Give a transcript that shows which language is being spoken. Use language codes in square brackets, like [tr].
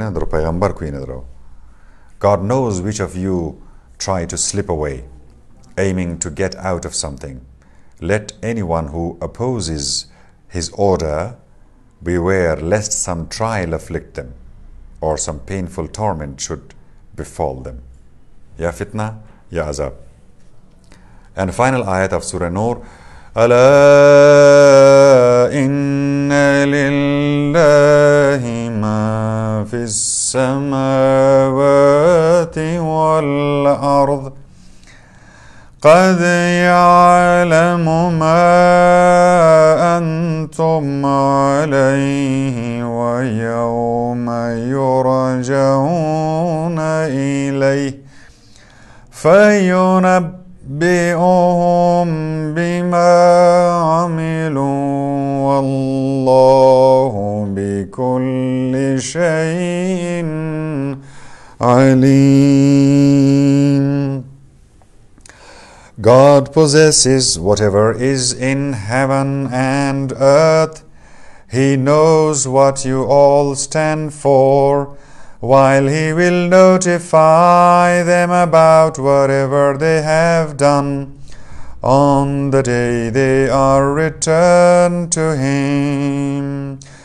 [en] God knows which of you try to slip away, aiming to get out of something. Let anyone who opposes his order beware lest some trial afflict them or some painful torment should befall them. [ar] Ya fitna, ya azab. [en] And final ayat of Surah Noor. [ar] ألا إن لله ما في السماوات والأرض قد يعلم ما أنتم عليه ويوم يرجعون إليه فينبئهم بِأَهُمْ بِمَا عَمِلُوا وَاللَّهُ بِكُلِّ شَيْءٍ عَلِيمٌ. [en] God possesses whatever is in heaven and earth. He knows what you all stand for. While He will notify them about whatever they have done on the day they are returned to Him.